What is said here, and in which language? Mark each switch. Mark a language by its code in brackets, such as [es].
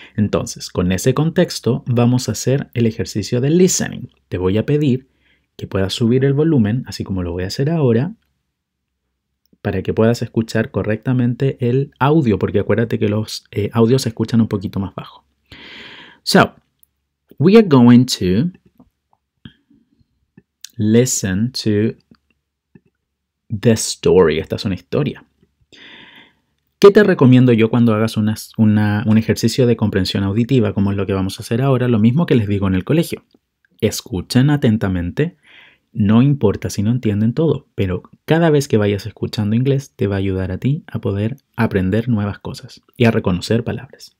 [es] Entonces, con ese contexto, vamos a hacer el ejercicio de listening. Te voy a pedir que puedas subir el volumen, así como lo voy a hacer ahora, para que puedas escuchar correctamente el audio, porque acuérdate que los audios se escuchan un poquito más bajo. [en] So, we are going to listen to the story. [es] Esta es una historia. ¿Qué te recomiendo yo cuando hagas un ejercicio de comprensión auditiva, como es lo que vamos a hacer ahora? Lo mismo que les digo en el colegio. Escuchen atentamente. No importa si no entienden todo, pero cada vez que vayas escuchando inglés te va a ayudar a ti a poder aprender nuevas cosas y a reconocer palabras.